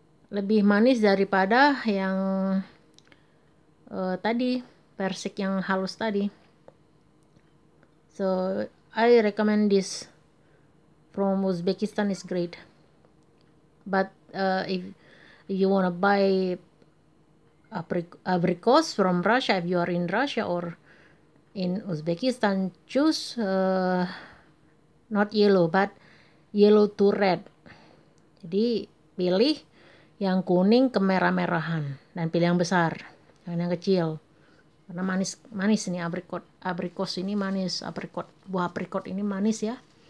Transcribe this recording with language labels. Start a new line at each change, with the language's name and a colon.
Indonesian: Lebih manis daripada yang tadi, persik yang halus tadi.
English: So, I recommend this from Uzbekistan, is great. But if you want to buy apricots from Russia, if you are in Russia or in Uzbekistan, choose not yellow, but yellow to red.
Indonesian: Jadi, pilih yang kuning ke merah-merahan. Dan pilih yang besar, jangan yang kecil. Karena manis, manis ini apricot. Apricot ini manis, apricot. Buah apricot ini manis ya.